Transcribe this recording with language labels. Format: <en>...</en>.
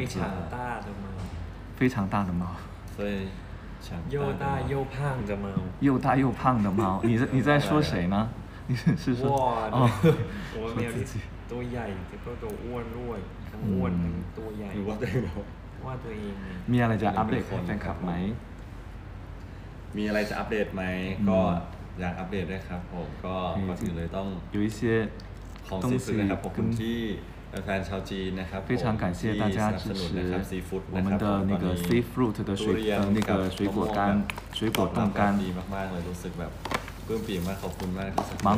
<zh>非常大的猫。非常大的猫。所以。又大又胖的猫，又大又胖的猫，你在说谁呢？你是说哇，哦，我没有你多大，这个都弱弱，很弱，很多大。你话对不？话对。</zh> <th>มีอะไรจะอัปเดตแฟนคลับไหม？ มีอะไรจะอัปเดตไหม？ ก็อยากอัปเดตด้วยครับผมก็มาถึงเลยต้อง</th> <zh>有一些</zh> <th>ของซื้อนะครับผมที่แฟนชาวจีนนะครับ</th> <zh>非常感谢大家支持我们的那个 seafood 的水那个水果干水果冻干</zh> <th>ดีมากมากเลยรู้สึกแบบปลื้มปิ่มมากขอบคุณมากที่สนับสนุน</th>